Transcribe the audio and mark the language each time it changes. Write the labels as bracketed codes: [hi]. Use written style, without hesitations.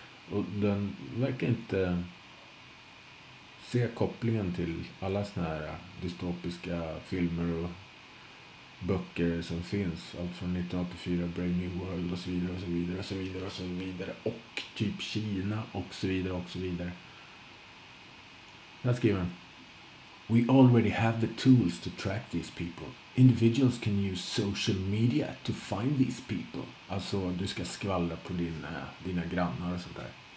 [sv] Och den verkar inte se kopplingen till alla såna här dystopiska filmer och böcker som finns. Allt från 1984, Brave New World och så vidare och så vidare och så vidare och så vidare. Och typ Kina och så vidare och så vidare. Här skriver han. [en] We already have the tools to track these people. Individuals can use social media to find these people. [sv] Alltså, du ska skvallra på dina grannar och sånt där.